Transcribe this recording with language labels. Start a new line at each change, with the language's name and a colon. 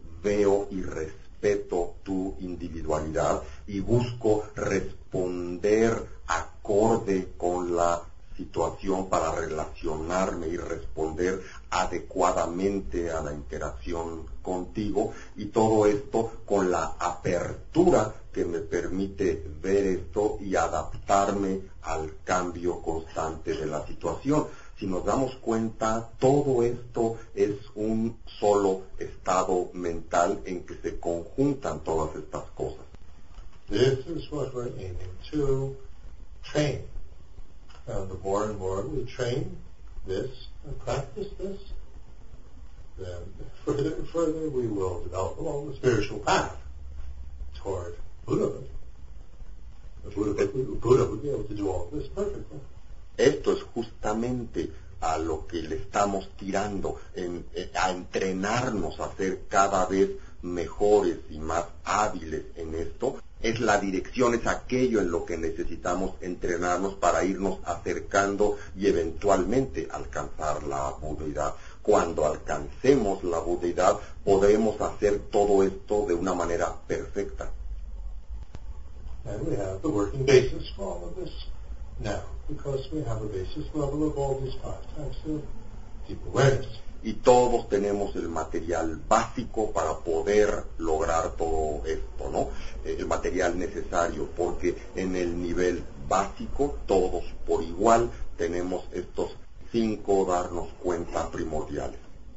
Spanish: veo y respeto tu individualidad y busco responder acorde con la situación para relacionarme y responder adecuadamente a la interacción contigo, y todo esto con la apertura que me permite ver esto y adaptarme al cambio constante de la situación. Si nos damos cuenta, todo esto es un solo estado mental en que se conjuntan todas estas cosas.
English: This is what we're aiming to train. And the more and more we train this and practice this, then further and further we will develop along the spiritual path toward Buddhahood. Buddha would be able to do all this perfectly.
Spanish: Esto es justamente a lo que le estamos tirando, a entrenarnos a ser cada vez mejores y más hábiles en esto. Es la dirección, es aquello en lo que necesitamos entrenarnos para irnos acercando y eventualmente alcanzar la budeidad. Cuando alcancemos la budeidad, podremos hacer todo esto de una manera perfecta.
English: And we have the working basis for all of this now, because we have a basis level of all these five types of deep awareness.
Spanish: Y todos tenemos el material básico para poder lograr todo esto, ¿no? El material necesario, porque en el nivel básico, todos por igual tenemos estos cinco darnos cuenta primordiales.